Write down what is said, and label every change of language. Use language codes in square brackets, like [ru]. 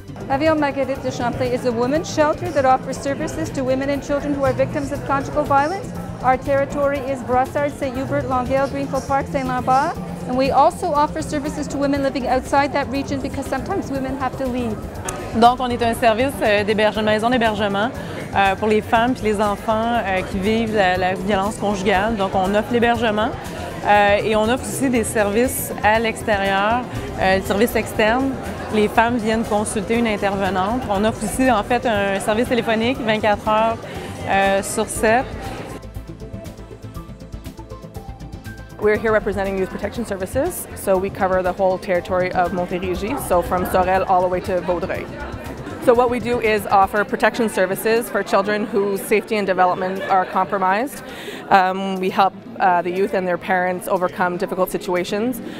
[en] Avion Marguerite de Champlain is a women's shelter that offers services to women and children who are victims of conjugal violence. Our territory is Brossard, St. Hubert, Longueuil, Greenfield Park, St. Lambert. And we also offer services to women living outside that region because sometimes women have to leave. [fr] Donc, on est un service d'hébergement, maison d'hébergement pour les femmes et les enfants qui vivent la violence conjugale. Donc, on offre l'hébergement et on offre aussi des services à l'extérieur, des services externes. Les femmes viennent consulter une intervenante. On offre aussi en fait un service téléphonique 24 heures sur 7. [en] We're here representing Youth Protection Services, so we cover the whole territory of Montérégie, so from Sorel all the way to Vaudreuil. So what we do is offer protection services for children whose safety and development are compromised. We help the youth and their parents overcome difficult situations.